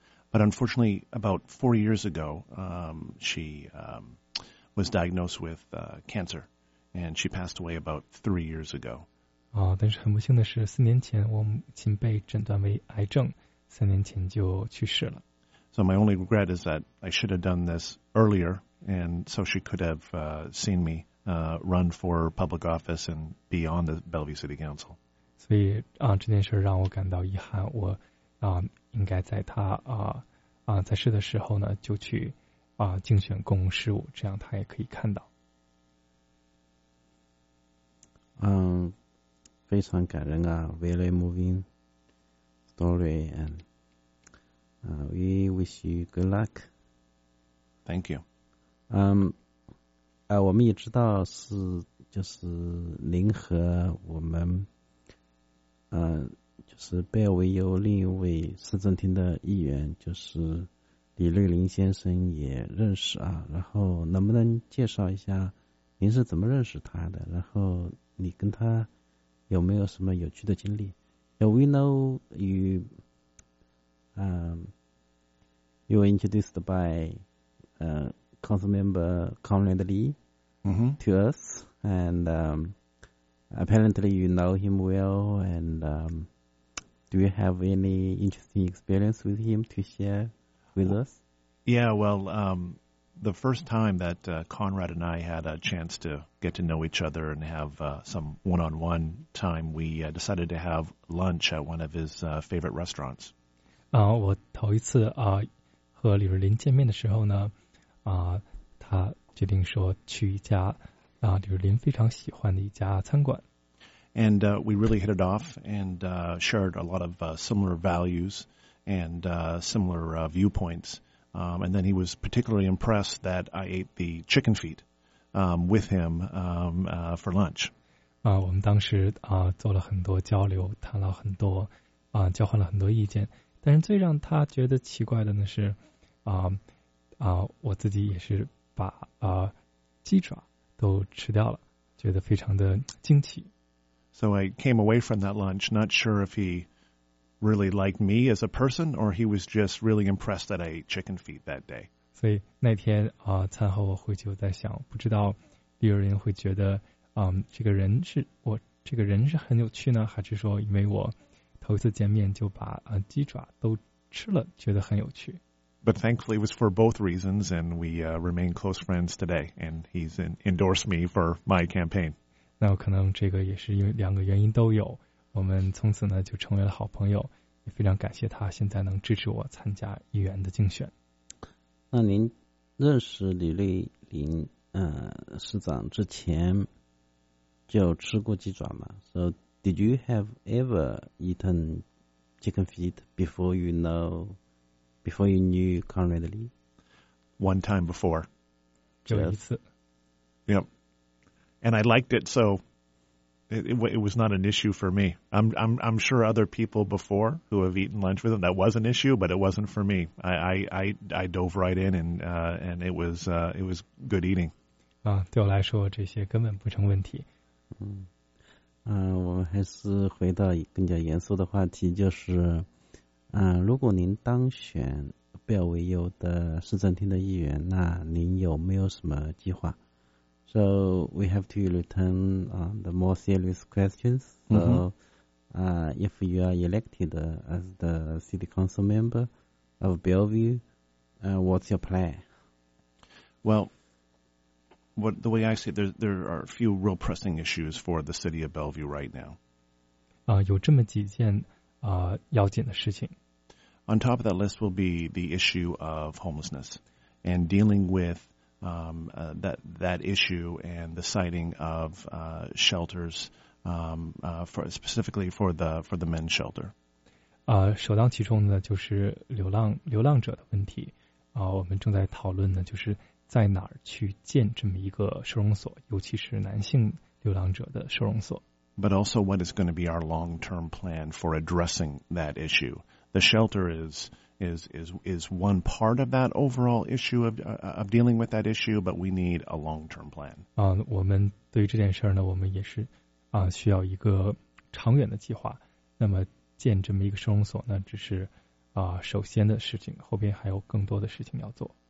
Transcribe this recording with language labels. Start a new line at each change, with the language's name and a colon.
English: But unfortunately, about 4 years ago, she was diagnosed with cancer, and she passed away about 3 years ago.
Chinese: 但是很不幸的是，四年前我母亲被诊断为癌症，三年前就去世了。
English: So my only regret is that I should have done this earlier, and so she could have seen me run for public office and be on the Bellevue City Council.
Chinese: 所以这件事让我感到遗憾，我应该在她在世的时候呢就去竞选公共事务，这样他也可以看到。非常感人啊
English: ，very moving story, and we wish you good luck. Thank you.
Chinese: 我们也知道是就是您和我们就是贝尔维尤另一位市政厅的议员，就是李瑞林先生也认识啊，然后能不能介绍一下您是怎么认识他的，然后你跟他有没有什么有趣的经历？
English: We know you you were introduced by council member Conrad Lee、 mm-hmm. to us, and apparently you know him well, and do you have any interesting experience with him to share with us? Yeah, well, the first time that Conrad and I had a chance to get to know each other and have some one-on-one time, we decided to have lunch at one of his favorite restaurants.
Chinese: 我头一次和李瑞林见面的时候呢，他决定说去一家李瑞林非常喜欢的一家餐馆。
English: And we really hit it off and shared a lot of similar values and similar viewpoints. And then he was particularly impressed that I ate the chicken feet with him for lunch.
Chinese: 我们当时做了很多交流，谈了很多，交换了很多意见。但是最让他觉得奇怪的呢是，我自己也是把鸡爪都吃掉了，觉得非常的惊奇。
English: So I came away from that lunch not sure if he really liked me as a person or he was just really impressed that I ate chicken feet that day.
Chinese: 所以那天餐后我回去，我在想，不知道李瑞林会觉得这个人是很有趣呢，还是说因为我头一次见面就把鸡爪都吃了，觉得很有趣。
English: But thankfully, it was for both reasons, and we remain close friends today. And he's endorsed me for my campaign.
Chinese: 那可能这个也是因为两个原因都有。我们从此呢就成为了好朋友，也非常感谢他现在能支持我参加议员的竞选。那您认识李瑞林市长之前就吃过鸡爪吗？
English: So did you have ever eaten chicken feet before you know? Before you knew Conrad Lee? One time before. Just? Yep. And I liked it, so it was not an issue for me. I'm sure other people before who have eaten lunch with him, that was an issue, but it wasn't for me. I dove right in, and it was good eating.
Chinese: 对我来说这些根本不成问题。我们还是回到更加严肃的话题，就是如果您当选贝尔维尤的市政厅的议员，那您有没有什么计划？
English: So we have to return on the more serious questions. So, if you are elected as the city council member of Bellevue, what's your plan? Well, the way I see it, there are a few real pressing issues for the city of Bellevue right now.
Chinese: 有这么几件要紧的事情。
English: On top of that list will be the issue of homelessness and dealing with that issue and the siting of shelters specifically for the men's shelter.
Chinese: 首当其冲的就是流浪者的问题。我们正在讨论的就是在哪儿去建这么一个收容所，尤其是男性流浪者的收容所。
English: But also what is going to be our long-term plan for addressing that issue. The shelter is one part of that overall issue of dealing with that issue, but we need a long-term plan.
Chinese: 我们对于这件事呢，我们也是需要一个长远的计划。那么建这么一个收容所呢，只是首先的事情，后边还有更多的事情要做。